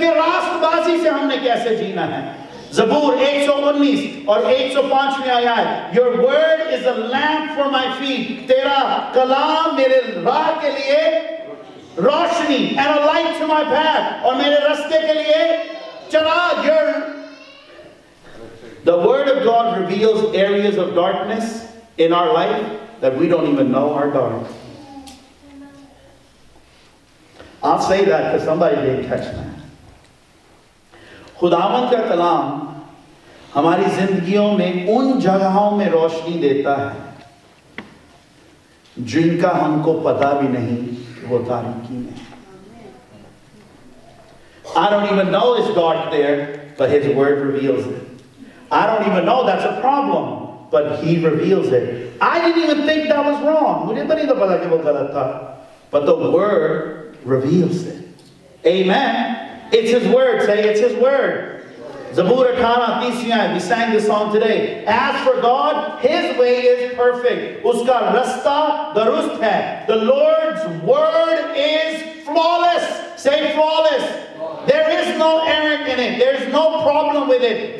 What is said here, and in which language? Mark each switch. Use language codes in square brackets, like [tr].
[ur] کے راستبازی سے ہم نے کیسے جینا ہے؟ زبور 119 اور 105 میں آیا ہے, [en] your word is a lamp for my feet, [ur] تیرا کلام میرے راہ کے لیے روشنی, [en] and a light to my path, [ur] اور میرے رستے کے لیے چراغ. [en] The word of God reveals areas of darkness in our life that we don't even know are dark. I'll say that because somebody didn't catch that. [ur] خداوند کا کلام ہماری زندگیوں میں ان جگہوں میں روشنی دیتا ہے جن کا ہم کو پتا بھی نہیں وہ تاریکی میں. [en] I don't even know it's dark there, but his word reveals it. I don't even know that's a problem, but he reveals it. I didn't even think that was wrong. [ur] مجھے تو نہیں تو پتا کہ وہ غلط تھا, [en] but the word reveals it. Amen. It's his word. Say it's his word. Zabur 18:30, we sang this song today. As for God, his way is perfect. [ur] Uska rasta durust hai. [en] The Lord's word is flawless. Say flawless. There is no error in it. There's no problem with it.